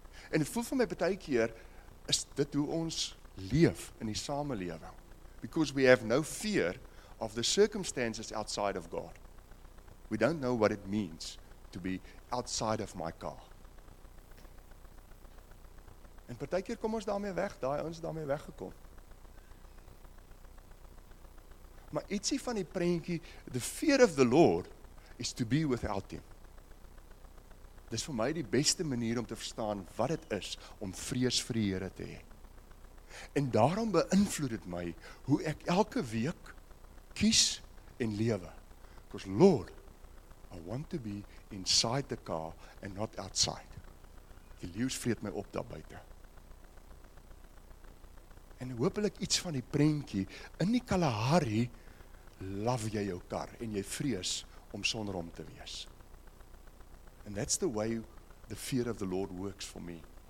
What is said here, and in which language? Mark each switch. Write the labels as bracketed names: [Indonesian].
[Afrikaans] En het voel vir my baie keer, is dit hoe ons leef in die samelewing. [English] Because we have no fear of the circumstances outside of God. We don't know what it means to be outside of my car. [Afrikaans] En partykeer kom ons daarmee weg, daai ons daarmee weggekom. Maar ietsie van die prentjie, [English] the fear of the Lord is to be without him. [Afrikaans] Dis vir my die beste manier om te verstaan wat dit is om vrees vir die Here te hê. En daarom beïnvloed dit my hoe ek elke week kies en lewe. [English] Because Lord, I want to be inside the car and not outside. [Afrikaans] Die leeu's vreet my op daar buite. En hoopelik iets van die prentjie, in die Kalahari, love jy jou kar, en jy vrees om sonder hom te wees. [English] And that's the way the fear of the Lord works for me.